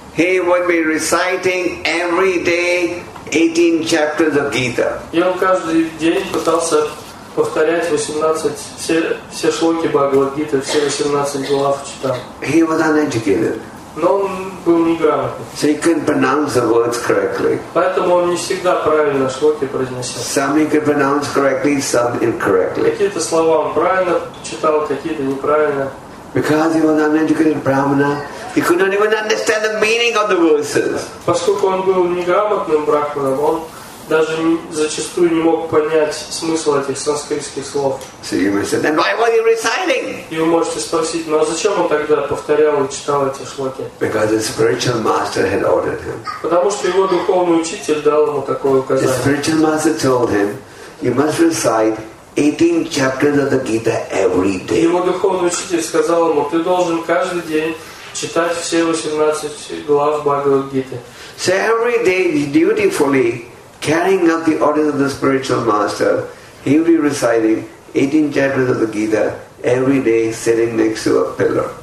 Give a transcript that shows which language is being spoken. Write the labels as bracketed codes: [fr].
[en] He would be reciting every day 18 chapters of Gita. [ru] И он каждый день пытался повторять 18 все шлоки Бхагавад-гиты, все 18 глав читал. [en] He was uneducated. [ru] Но он был неграмотный. [en] So he couldn't pronounce the words correctly. [ru] Поэтому он не всегда правильно шлоки произносил. [en] Some he could pronounce correctly, some incorrectly. [ru] Какие-то слова он правильно читал, какие-то неправильно. [en] Because he was uneducated Brahmana, he could not even understand the meaning of the verses. [ru] Поскольку он был неграмотным брахманом, он даже зачастую не мог понять смысл этих санскритских слов. [en] So you may say, then why were you reciting? [ru] И вы можете спросить, ну а зачем он тогда повторял и читал эти шлоки? [en] Because his spiritual master had ordered him. [ru] Потому что его духовный учитель дал ему такое указание. [en] His spiritual master told him, you must recite 18 chapters of the Gita every day. [ru] Его духовный учитель сказал ему, ты должен каждый день читать все 18 глав Бхагавад-гиты. [en] So every day, dutifully carrying out the orders of the spiritual master, he would be reciting 18 chapters of the Gita every day, sitting next to a pillar.